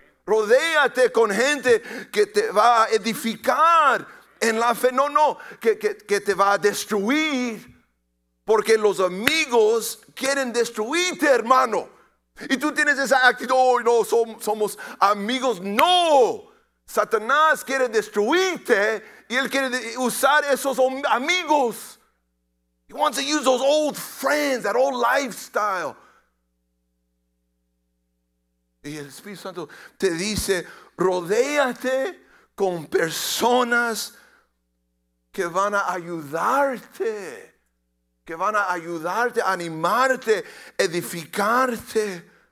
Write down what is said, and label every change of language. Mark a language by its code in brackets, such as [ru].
[es] Rodéate con gente que te va a edificar en la fe. No, que te va a destruir. Porque los amigos quieren destruirte, hermano. Y tú tienes esa actitud, oh, no, somos amigos. No, Satanás quiere destruirte y él quiere usar esos amigos. [en] He wants to use those old friends, that old lifestyle. [es] Y el Espíritu Santo te dice, rodéate con personas que van a ayudarte. Que van a ayudarte, animarte, edificarte.